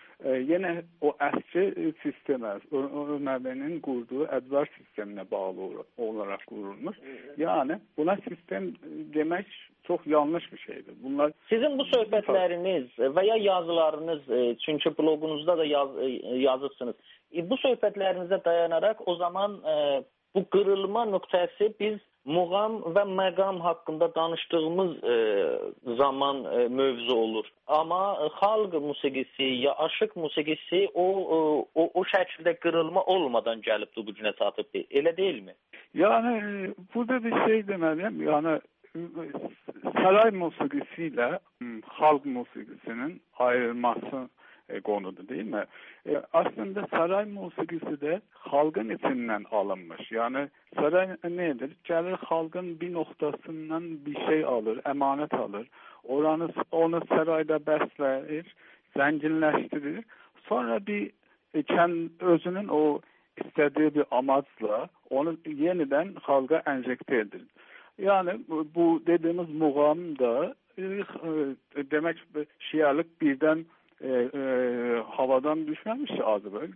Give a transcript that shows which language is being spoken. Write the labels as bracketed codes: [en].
[az] Yenə o əsri sistemə, Ölməvinin qurduğu ədvar sisteminə bağlı olaraq qurulmuş. Yəni, buna sistem demək çox yanlış bir şeydir. Bunlar sizin bu söhbətləriniz və ya yazılarınız, çünki blogunuzda da yazırsınız, bu söhbətlərinizə dayanaraq o zaman Bu kırılma noktası biz muğam ve məqam hakkında danıştığımız zaman mövzu olur. Ama xalq musiqisi ya aşık musiqisi o şəkildə kırılma olmadan gəlib bu günə çatıb. Elə deyil mi? Yani burada bir şey deməliyəm. Yani saray musiqisi ilə xalq musiqisinin ayrılması konudur, değil mi? Aslında saray musiqisi de xalqın içindən alınmış. Yani saray nedir? Gəlir xalqın bir noktasından bir şey alır, emanet alır. Oranı, onu sarayda bəslər, zənginləşdirir. Sonra bir özünün o istədiyi bir amacla onu yeniden xalqa enjekte edir. [tr] Yani bu dediğimiz muğam da demek şialık birden havadan düşmemiş Azerbaycan.